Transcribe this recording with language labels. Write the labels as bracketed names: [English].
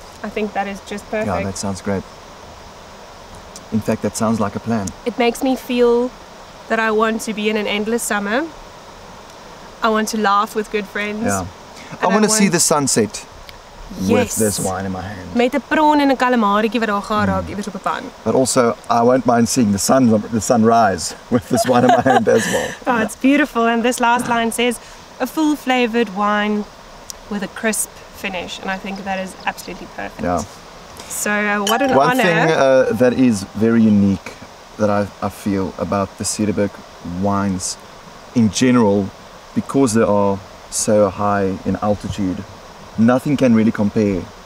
[English] I think that is just perfect. Yeah, that sounds great. In fact, that sounds like a plan. It makes me feel that I want to be in an endless summer. I want to laugh with good friends. Yeah. I want to see the sunset with this wine in my hand. [Afrikaans] Met 'n prawn en 'n kalamarietjie wat daar geraak iewers op 'n pan. [English] But also, I won't mind seeing the sunrise with this wine in my hand as well. Oh, yeah. It's beautiful. And this last line says, a full-flavored wine with a crisp finish. And I think that is absolutely perfect. Yeah. So, what an honor. One thing that is very unique that I feel about the Cederberg wines in general, because they are so high in altitude, nothing can really compare.